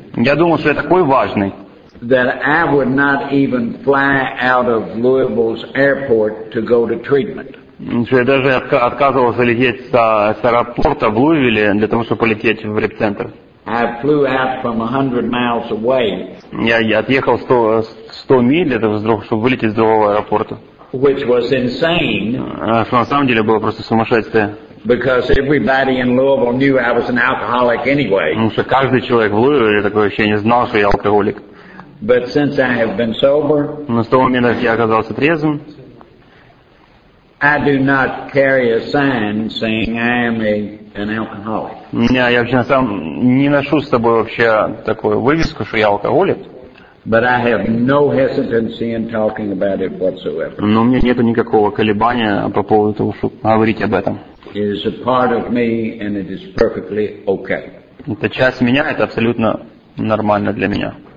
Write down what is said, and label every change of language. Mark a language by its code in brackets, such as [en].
[ru] я думал, что я такой важный, что я даже отказывался лететь с аэропорта в Луивилле для того, чтобы полететь в реп-центр. [en] I flew out from 100 miles away. [ru] Я отъехал 100 миль, чтобы вылететь из другого аэропорта. [en] Which was insane. [ru] Что на самом деле было просто сумасшествие. [en] Because everybody in Louisville knew I was an alcoholic anyway. [ru] Потому что каждый человек в Луивилле такое ощущение знал, что я алкоголик. [en] But since I have been sober, [ru] но с того момента, как я оказался трезвым, [en] I do not carry a sign saying I am an alcoholic. [ru] Я вообще сам не ношу с собой вообще такую вывеску, что я алкоголик. [en] But I have no hesitancy in talking about it whatsoever. [ru] Но у меня нету никакого колебания по поводу того, чтобы говорить об этом. [en] It is a part of me, and it is perfectly okay. [ru] Это часть меня, это абсолютно нормально для меня.